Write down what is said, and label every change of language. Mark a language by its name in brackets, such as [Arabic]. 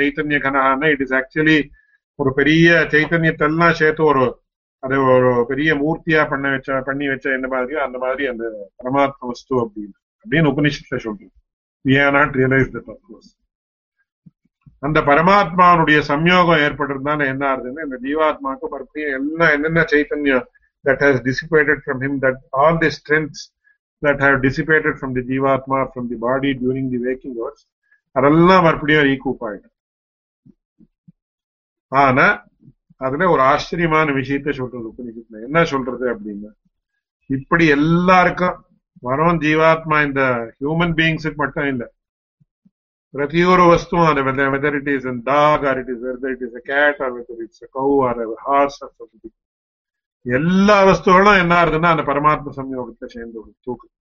[Tamil] Chaitanya கனஹான்னா [English] it is actually [Tamil] ஒரு பெரிய சைத்தன்யத்தெல்லாம் சேர்த்து ஒரு அது ஒரு பெரிய மூர்த்தியா பண்ணி வச்ச என்ன மாதிரியோ அந்த மாதிரி அந்த பரமாத்ம வஸ்து அப்படின்னு உபனிஷத்துல சொல்றோம். அந்த பரமாத்மாவுடைய சம்யோகம் ஏற்பட்டிருந்தாலும் என்ன ஆகுதுன்னா, இந்த ஜீவாத்மாவுக்கு மறுபடியும் எல்லாம் என்னென்ன சைத்தன்யம் [English] That has dissipated from him that all the strengths that have dissipated from the jivatma, from the body during the waking hours, are all marpidiyo recuperated. [Tamil] ஆனா அதுல ஒரு ஆச்சரியமான விஷயத்த சொல்றது புரிஞ்சுக்கல என்ன சொல்றது அப்படின்னா இப்படி எல்லாருக்கும் வரும் ஜீவாத்மா இந்த [English] human பீயிங்ஸுக்கு [Tamil] மட்டும் இல்ல பிரதி ஒரு வஸ்துவும் [English] it is dog or it is whether it is a cat or whether it's a cow or horse or something [Tamil] எல்லா வஸ்துகளும் என்ன இருக்குன்னா அந்த பரமாத்ம சம்யோகத்தை சேர்ந்து ஒரு தூக்கு